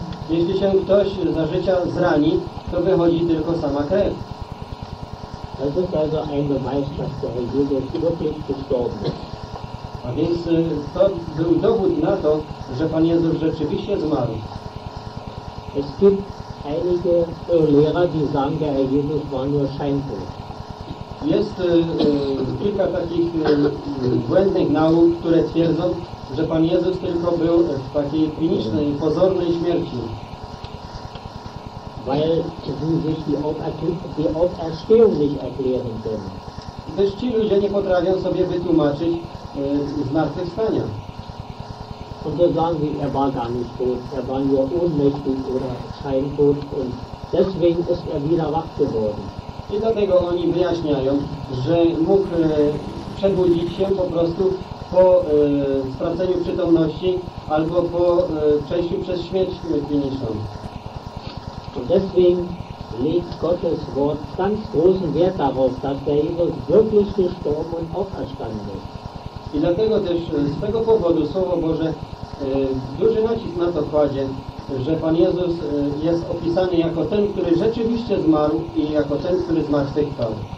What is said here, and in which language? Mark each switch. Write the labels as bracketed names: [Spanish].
[Polish] Jeśli się ktoś za życia zrani, to wychodzi tylko sama krew. [German] Das ist also ein Beweis, dass der Herr Jesus wirklich gestorben ist. [Polish] A więc to był dowód na to, że Pan Jezus rzeczywiście zmarł. [German] Es gibt einige Lehrer, die sagen, der Herr Jesus war nur scheintot. [Polish] Jest kilka takich błędnych nauk, które twierdzą, że Pan Jezus tylko był w takiej klinicznej, pozornej śmierci. [German] Weil sie sich die Auferstehung nicht erklären können. [Polish] Gdyż ci ludzie nie potrafią sobie wytłumaczyć zmartwychwstania. [German] Und so sagen sie, er war gar nicht tot, er war nur ohnmächtig oder scheintot und deswegen ist er wieder wach geworden. [Polish] I dlatego oni wyjaśniają, że mógł przebudzić się po prostu po straceniu przytomności albo po przejściu przez śmierć kliniczną. [German] Und deswegen legt Gottes Wort ganz großen Wert darauf, dass der Jesus wirklich gestorben und auferstanden ist. [Polish] I dlatego też z tego powodu Słowo Boże duży nacisk na to kładzie, że Pan Jezus jest opisany jako ten, który rzeczywiście zmarł i jako ten, który zmartwychwstał.